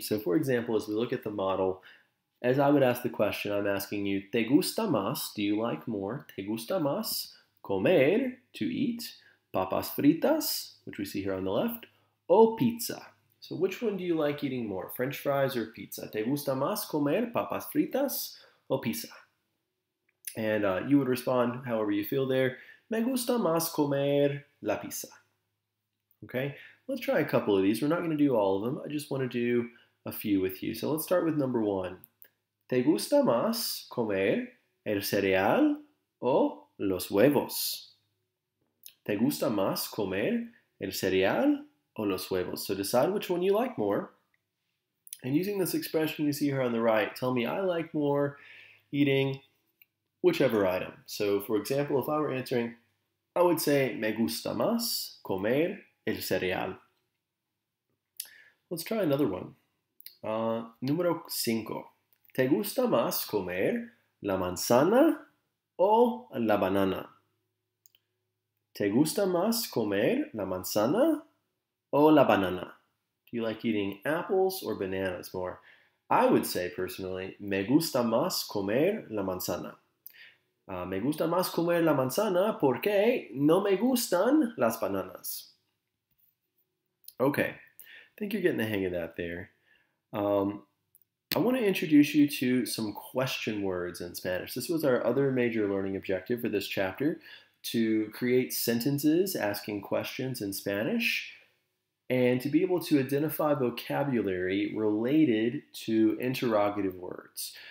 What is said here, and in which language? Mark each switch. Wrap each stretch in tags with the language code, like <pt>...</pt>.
<en>So for example, as we look at the model, as I would ask the question, I'm asking you,</en> <es>¿te gusta más?</es> <en>Do you like more?</en> <es>¿Te gusta más comer,</es> <en>to eat,</en> <es>papas fritas,</es> <en>which we see here on the left,</en> <es>o pizza?</es> <en>So which one do you like eating more, French fries or pizza?</en> <es>¿Te gusta más comer papas fritas o pizza?</es> <en>And you would respond however you feel there.</en> <es>Me gusta más comer la pizza.</es> <en>Okay, let's try a couple of these. We're not going to do all of them. I just want to do a few with you. So let's start with number one.</en> <es>¿Te gusta más comer el cereal o los huevos? ¿Te gusta más comer el cereal o los huevos?</es> <en>So decide which one you like more. And using this expression you see here on the right, tell me I like more eating whichever item. So for example, if I were answering, I would say</en> <es>me gusta más comer el cereal.</es> <en>Let's try another one.</en> <es>Número cinco. ¿Te gusta más comer ¿La manzana o la banana? ¿Te gusta más comer la manzana o la banana?</es> <en>Do you like eating apples or bananas more? I would say, personally,</en> <es>me gusta más comer la manzana. Me gusta más comer la manzana porque no me gustan las bananas.</es> <en>Okay, I think you're getting the hang of that there. I want to introduce you to some question words in Spanish. This was our other major learning objective for this chapter, to create sentences asking questions in Spanish and to be able to identify vocabulary related to interrogative words.</en>